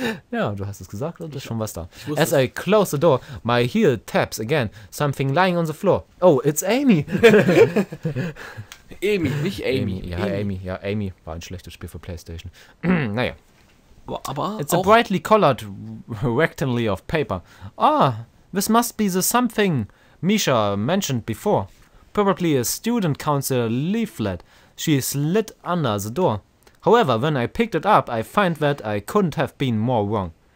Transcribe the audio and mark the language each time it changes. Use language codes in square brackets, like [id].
[de] Ja, du hast es gesagt, da ist schon was da. [en] As I close the door, my heel taps again. Something lying on the floor. Oh, it's Amy. [de] Amy, nicht Amy. Amy. Ja, Amy. Amy. Ja, Amy war ein schlechtes Spiel für PlayStation. Naja. Aber [en] it's a brightly colored rectangle of paper. Ah, this must be the something Misha mentioned before. Probably a student council leaflet. She is lit under the door. However, when I picked it up, I find that I couldn't have been more wrong.